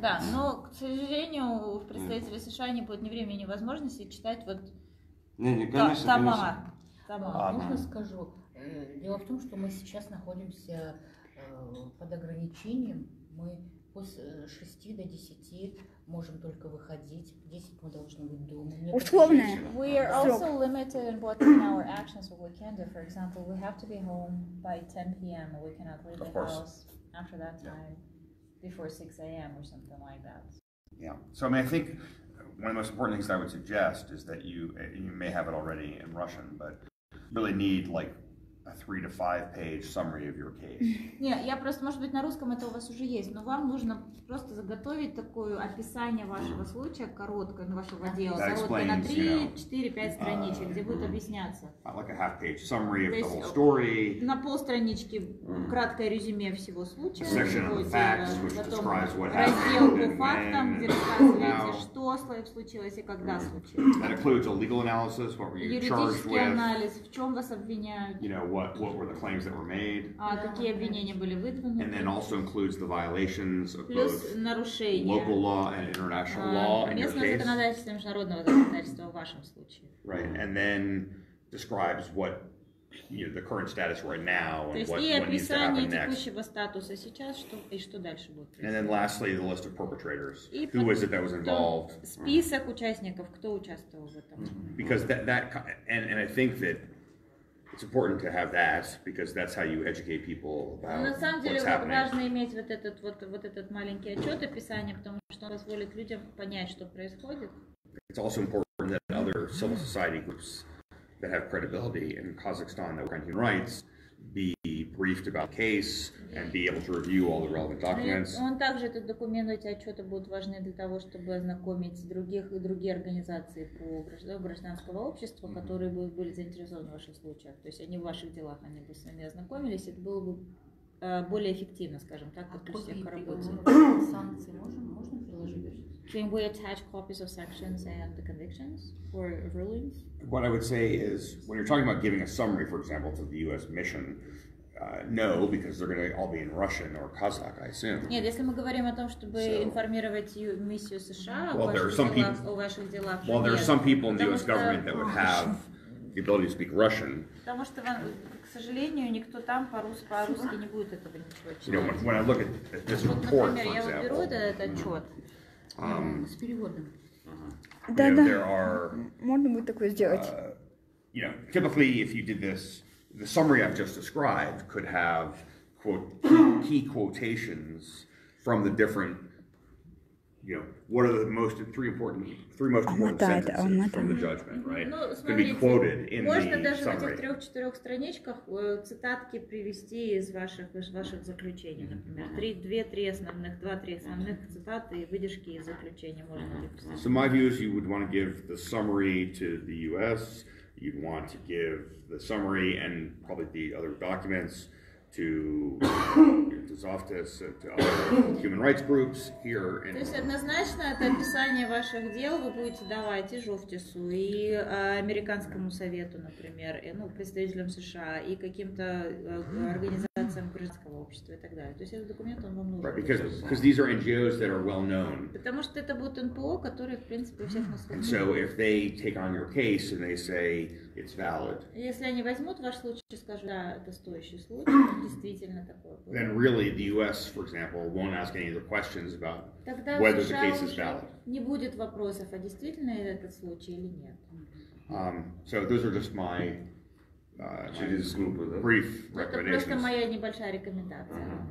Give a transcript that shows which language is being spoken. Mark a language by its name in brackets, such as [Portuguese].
[Russian] Да, но к сожалению, в представителе США не будет ни времени, ни возможности читать вот. Не, конечно. Можно скажу. Дело в том, что мы сейчас находимся под ограничением. Мы с 6 до 10 можем только выходить. 10 мы должны быть дома. Условно. [English] We are also limited in what in our actions what we can do. For example, we have to be home by 10 p.m. We cannot leave the house after that time before 6 a.m. or something like that. Yeah. So I mean, I think one of the most important things that I would suggest is that you may have it already in Russian, but really need like a 3-5-page summary of your case. [Russian] Нет, я просто, может быть, на русском это у вас уже есть, но вам нужно просто заготовить такое описание вашего случая, короткое, вашего дела, короткое, на 3-4-5 страничек, где будет объясняться. [English] Like a half-page summary of the whole story. [Russian] На полстранички краткое резюме всего случая. [English] A section of the facts, which describes what happened. [Russian] Раздел по фактам, где рассказываете, что случилось и когда случилось. [English] That includes a legal analysis, what were you charged with. [Russian] Юридический анализ, в чем вас обвиняют. [English] You know, what were the claims that were made? [Russian] Какие обвинения были выдвинуты? [English] And then also includes the violations of [Russian] плюс [English] both [Russian] нарушения. [English] Local law and international law in your case. [Russian] Местное законодательство, международного законодательства в вашем случае. [English] Right, and then describes what the current status right now and what needs to happen next. [Russian] То есть и описание текущего статуса сейчас, что дальше будет. [English] And then lastly, the list of perpetrators. Who was it that was involved? [Russian] Список участников, кто участвовал в этом. [English] Because that and I think that it's important to have that because that's how you educate people about what's happening. [Russian] На самом деле важно иметь вот этот этот маленький отчет, описание, потому что он позволит людям понять, что происходит. [English] It's also important that other civil society groups that have credibility in Kazakhstan that work on human rights be briefed about the case and be able to review all the relevant documents. [Russian] Он также этот документ, эти отчеты будут важны для того, чтобы ознакомить другие организации по гражданского общества, которые были заинтересованы в ваших случаях. То есть они в ваших делах, они бы с вами ознакомились, это было бы более эффективно, скажем так, подключить их к работе. Санкции можно приложить? [English] Can we attach copies of sections and the convictions or rulings? What I would say is, when you're talking about giving a summary, for example, to the U.S. mission, no, because they're going to all be in Russian or Kazakh, I assume. [Russian] Нет, если мы говорим о том, чтобы информировать миссию США о ваших делах, [English] well, there are some people in the U.S. government that would have the ability to speak Russian. [Russian] Потому что, к сожалению, никто там по-русски не будет этого ничего читать. [English] You know, when I look at this report, for example. [Russian] Вот, например, я вот беру этот отчет с переводом. Да-да, можно будет такое сделать. [English] You know, typically, if you did this, the summary I've just described could have key quotations from the different, what are the most three most important sentences from the judgment, right? Could be quoted in the summary. [Russian] Можно даже в этих 3-4 страничках цитатки привести из ваших заключений, например, два-три основных цитаты и выдержки из заключения можно написать. [English] So my view is you would want to give the summary to the U.S. you'd want to give the summary and probably the other documents to to Zoftis, to other human rights groups here. In [Russian] То есть однозначно это описание ваших дел вы будете давать и Зофтису, и американскому совету, например, и, ну, представителям США, и каким-то организациям гражданского общества и так далее. То есть этот документ он вам нужен. [English] Right, because these are NGOs that are well known. [Russian] Потому что это будут НПО, которые в принципе у всех на слуху. [English] And so if they take on your case and they say it's valid. [Russian] Если они возьмут ваш случай, скажут, да, это стоящий случай, действительно такой. [English] Then really the US, for example, won't ask any of the questions about [Russian] Тогда [English] whether the case is valid. [Russian] Не будет вопросов, а действительно ли этот случай или нет. [English] So those are just my brief recommendations. [Russian] Это просто моя небольшая рекомендация.